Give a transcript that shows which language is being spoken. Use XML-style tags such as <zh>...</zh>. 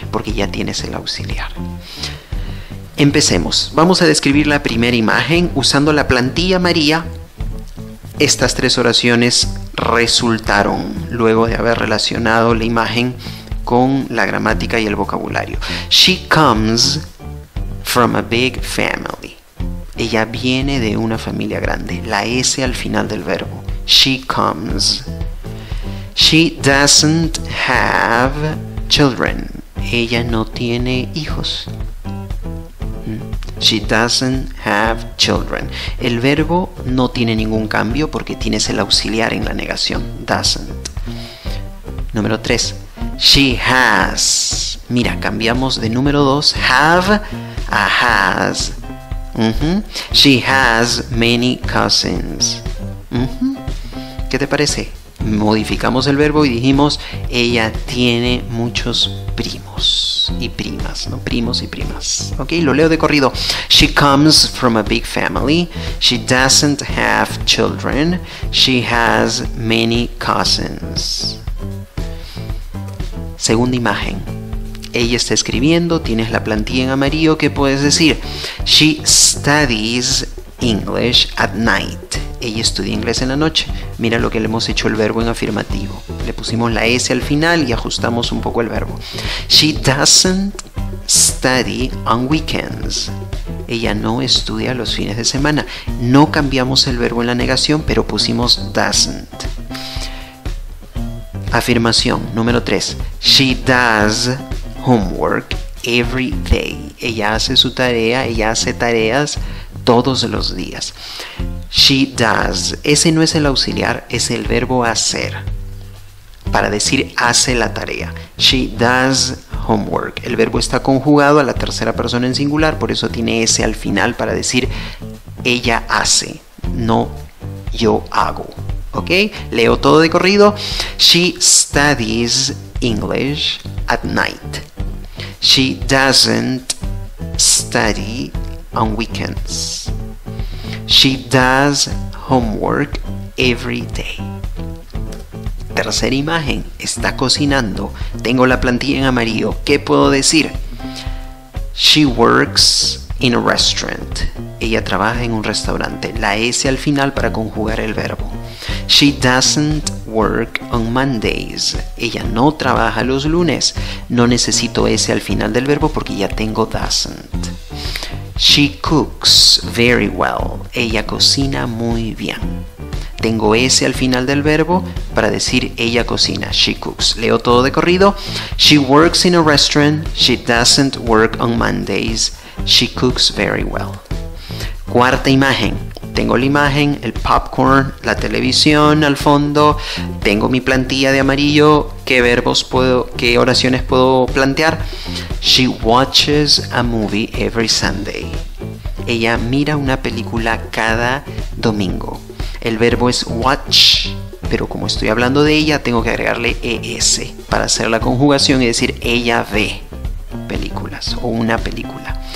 <es>Porque ya tienes el auxiliar. Empecemos. Vamos a describir la primera imagen usando la plantilla María. Estas 3 oraciones resultaron luego de haber relacionado la imagen con la gramática y el vocabulario.</es> <en>She comes from a big family.</en> <es>Ella viene de una familia grande. La S al final del verbo.</es> <en>She comes. She doesn't have children.</en> <es>Ella no tiene hijos.</es> <en>She doesn't have children.</en> <es>El verbo no tiene ningún cambio porque tienes el auxiliar en la negación.</es> <en>Doesn't.</en> <es>Número 3.</es> <en>She has.</en> <es>Mira, cambiamos de número 2. Have a has.</es> <en>She has many cousins.</en> <es>¿Qué te parece? Modificamos el verbo y dijimos, ella tiene muchos primos y primas, ¿no? Primos y primas. Ok, lo leo de corrido.</es> <en>She comes from a big family. She doesn't have children. She has many cousins.</en> <es>Segunda imagen. Ella está escribiendo, tienes la plantilla en amarillo. ¿Qué puedes decir?</es> <en>She studies English at night.</en> <es>Ella estudia inglés en la noche. Mira lo que le hemos hecho el verbo en afirmativo. Le pusimos la S al final y ajustamos un poco el verbo.</es> <en>She doesn't study on weekends.</en> <es>Ella no estudia los fines de semana. No cambiamos el verbo en la negación, pero pusimos doesn't. Afirmación número 3.</es> <en>She does homework every day.</en> <es>Ella hace su tarea, ella hace tareas todos los días.</es> <en>She does.</en> <es>Ese no es el auxiliar, es el verbo hacer. Para decir hace la tarea.</es> <en>She does homework.</en> <es>El verbo está conjugado a la tercera persona en singular, por eso tiene S al final para decir ella hace, no yo hago. ¿Ok? Leo todo de corrido.</es> <en>She studies English at night. She doesn't study on weekends. She does homework every day.</en> <es>Tercera imagen, está cocinando. Tengo la plantilla en amarillo. ¿Qué puedo decir?</es> <en>She works in a restaurant.</en> <es>Ella trabaja en un restaurante. La S al final para conjugar el verbo.</es> <en>She doesn't work on Mondays.</en> <es>Ella no trabaja los lunes. No necesito S al final del verbo porque ya tengo doesn't.</es> <en>She cooks very well.</en> <es>Ella cocina muy bien. Tengo S al final del verbo para decir ella cocina.</es> <en>She cooks.</en> <es>Leo todo de corrido.</es> <en>She works in a restaurant. She doesn't work on Mondays. She cooks very well.</en> <es>Cuarta imagen. tengo la imagen, el popcorn, la televisión al fondo, tengo mi plantilla de amarillo, ¿qué verbos puedo, qué oraciones puedo plantear?</es> <en>She watches a movie every Sunday.</en> <es>Ella mira una película cada domingo. El verbo es watch, pero como estoy hablando de ella, tengo que agregarle es para hacer la conjugación y decir ella ve películas o una película.</es>